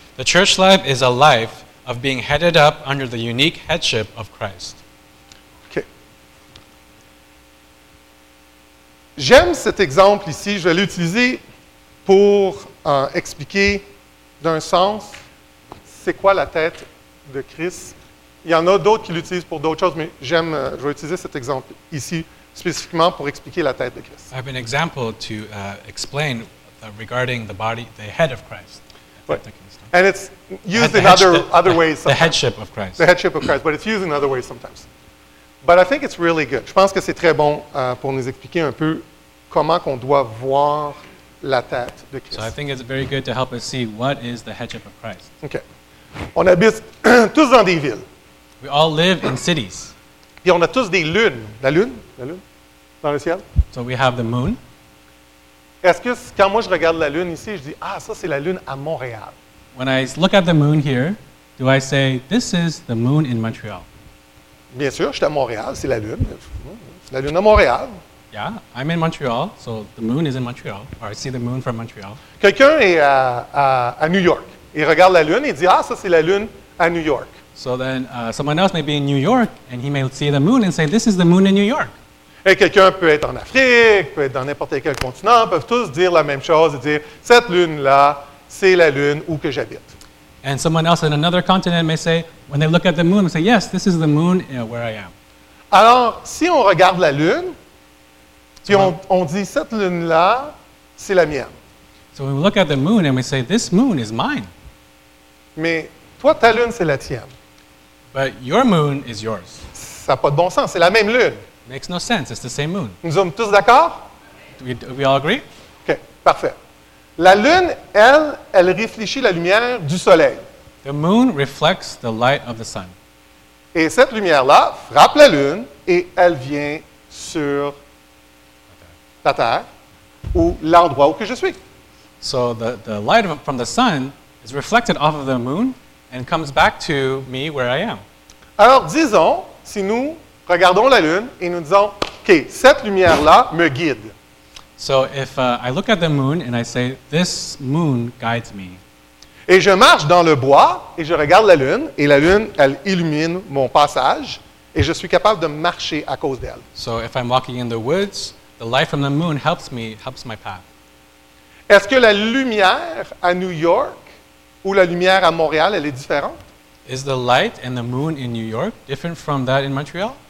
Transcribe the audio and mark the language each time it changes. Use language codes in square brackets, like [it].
[en] The church life is a life of being headed up under the unique headship of Christ. Okay. [fr] J'aime cet exemple ici, je vais l'utiliser pour expliquer d'un sens c'est quoi la tête de Christ. Il y en a d'autres qui l'utilisent pour d'autres choses, mais j'aime, je vais utiliser cet exemple ici spécifiquement pour expliquer la tête de Christ. [en] I have an example to explain regarding the body, the head of Christ. And it's used in other ways sometimes. The headship of Christ. The headship of Christ, but it's used in other ways sometimes. But I think it's really good. [fr] Je pense que c'est très bon pour nous expliquer un peu comment qu'on doit voir la tête de Christ. [en] So I think it's very good to help us see what is the headship of Christ. [fr] Okay. On habite tous dans des villes. [en] We all live in cities. [fr] Puis on a tous des lunes. La lune? Dans le ciel. [en] So we have the moon. [fr] Est-ce que quand moi je regarde la lune ici, je dis, ah, ça c'est la lune à Montréal. [en] When I look at the moon here, do I say, this is the moon in Montreal? [fr] Bien sûr, je suis à Montréal, c'est la lune. C'est la lune à Montréal. [en] Yeah, I'm in Montreal, so the moon is in Montreal. Or I see the moon from Montreal. [fr] Quelqu'un est à New York. Il regarde la lune et dit, ah, ça c'est la lune à New York. [en] So then, someone else may be in New York, and he may see the moon and say, this is the moon in New York. [fr] Et quelqu'un peut être en Afrique, peut être dans n'importe quel continent, peuvent tous dire la même chose et dire, cette lune-là, c'est la lune où que j'habite. [en] And someone else in another continent may say, when they look at the moon, they say, yes, this is the moon where I am. [fr] Alors, si on regarde la lune, puis on dit, cette lune-là, c'est la mienne. [en] So when we look at the moon and we say, this moon is mine. [fr] Mais toi, ta lune, c'est la tienne. [en] But your moon is yours. [fr] Ça n'a pas de bon sens, c'est la même lune. [en] Makes no sense, it's the same moon. [fr] Nous sommes tous d'accord? [en] Do we all agree? [fr] OK, parfait. La lune, elle réfléchit la lumière du soleil. [en] The moon reflects the light of the sun. [fr] Et cette lumière-là frappe la lune et elle vient sur la terre ou l'endroit où que je suis. [en] So the light from the sun is reflected off of the moon and comes back to me where I am. [fr] Alors disons, si nous regardons la lune et nous disons, OK, cette lumière-là me guide. [en] So if I look at the moon and I say, this moon guides me. [fr] Et je marche dans le bois et je regarde la lune et la lune, elle illumine mon passage et je suis capable de marcher à cause d'elle. [en] So if I'm walking in the woods, the light from the moon helps me, helps my path. [fr] Est-ce que la lumière à New York ou la lumière à Montréal, elle est différente? [en] Is the light and the moon in New York different from that in Montreal?